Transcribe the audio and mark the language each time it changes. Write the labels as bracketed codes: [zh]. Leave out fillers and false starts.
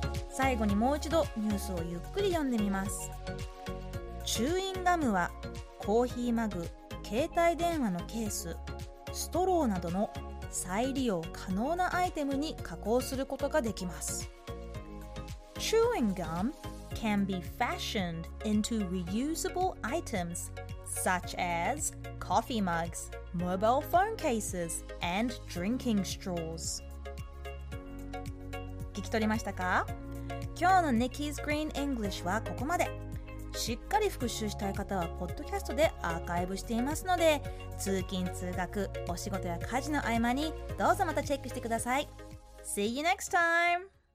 [ja] 最後にもう一度ニュースをゆっくり読んでみます。チューインガムはコーヒーマグ、携帯電話のケース、ストローなどの再利用可能なアイテムに加工することができます。 [en] Chewing gum can be fashioned into reusable items such as coffee mugs, mobile phone cases and drinking straws。 [ja] 聞き取りましたか？今日の Nikki's Green English はここまで。しっかり復習したい方はポッドキャストでアーカイブしていますので、通勤通学、お仕事や家事の合間にどうぞまたチェックしてください。 [en] See you next time。